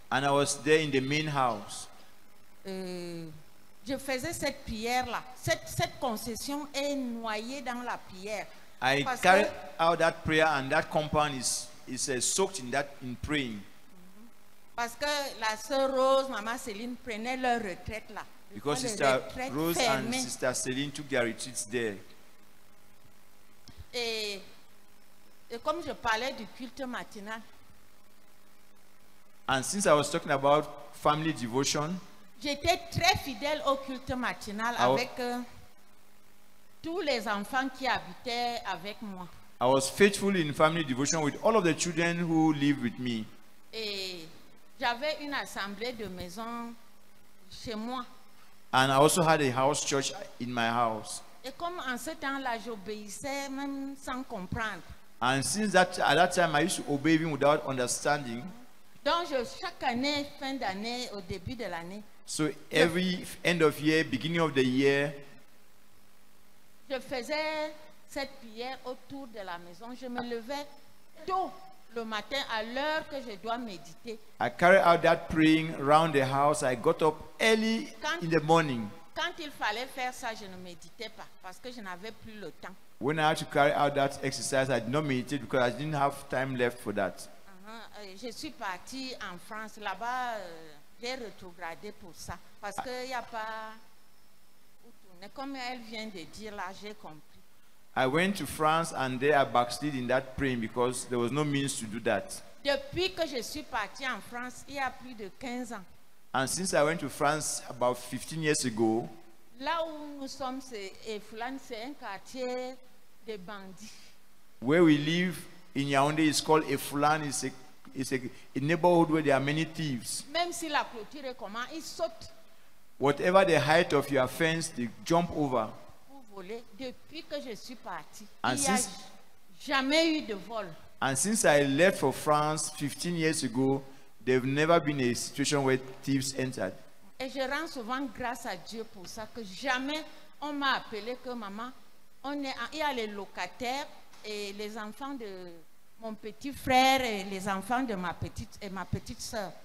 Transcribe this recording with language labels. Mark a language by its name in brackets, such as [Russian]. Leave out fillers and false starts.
[English] And I was there in the main house. [French] Je faisais cette prière là. Cette concession est noyée dans la prière. [English] I carry out that prayer and that compound is soaked in that in praying. [French] Parce que la sœur Rose, maman Céline prenaient leur retraite là. [English] Because sister Rose and sister Céline took their retreats there. [French] Et comme je parlais du culte matinal. [English] And since I was talking about family devotion. [French] J'étais très fidèle au culte matinal avec tous les enfants qui habitaient avec moi. [English] I was faithful in family devotion with all of the children who live with me. [French] Et j'avais une assemblée de maison chez moi. [English] And I also had a house church in my house. [French] Et comme en ce temps-là, j'obéissais même sans comprendre. [English] And since that at that time, I used to obey even without understanding. [French] Donc chaque année, fin d'année, au début de l'année. [English] So every end of year, beginning of the year, [French] je faisais cette prière autour de la maison. Je me levais tôt le matin à l'heure que je dois méditer. [English] I carried out that praying around the house. I got up early [French] quand, [English] in the morning. [French] Quand il fallait faire ça, je ne méditais pas parce que je n'avais plus le temps. [English] When I had to carry out that exercise, I did not meditate because I didn't have time left for that. [French] Je suis partie en France là-bas. J'ai rétrogradé pour ça parce que y a pas. Comme elle vient de dire là, j'ai compris. [English] I went to France and there I backslid in that praying because there was no means to do that. [French] Depuis que je suis parti en France, il y a plus de 15 ans. [English] And since I went to France about 15 years ago. [French] Là où nous sommes, c'est Fulane, c'est un quartier de bandits. [English] Where we live in Yaoundé is called Fulane. It's a neighborhood where there are many thieves. [French] Même si la clôture est comment, ils sautent. [English] Whatever the height of your fence, they jump over. [French] Pour voler. Depuis que je suis parti, il n'y a jamais eu de vol. [English] And since I left for France 15 years ago, there have never been a situation where thieves entered. [French] Et je rends souvent grâce à Dieu pour ça que jamais on m'a appelé que maman, il y a les locataires et les enfants de mon petit frère et les enfants de ma petite et ma petite sœur.